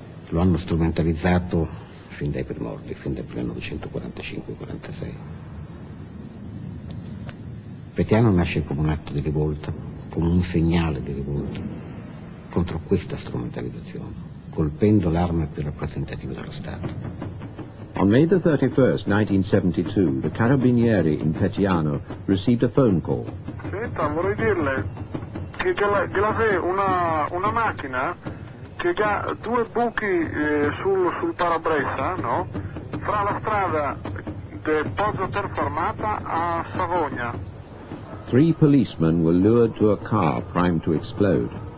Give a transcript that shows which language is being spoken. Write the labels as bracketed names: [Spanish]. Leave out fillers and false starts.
[Italian] lo hanno strumentalizzato fin dai primordi, fin dal 1945-46. Petiano nasce come un atto di rivolta, come un segnale di rivolta contro questa strumentalizzazione, colpendo l'arma più rappresentativa dello Stato. [English] On May the 31st, 1972, the Carabinieri in Petiano received a phone call. [Italian] Senta, vorrei dirle che gliel'avevo una macchina che ha due buchi sul parabrezza, no? Fra la strada del Pozzo Terfermata a Savogna. [English] Three policemen were lured to a car primed to explode.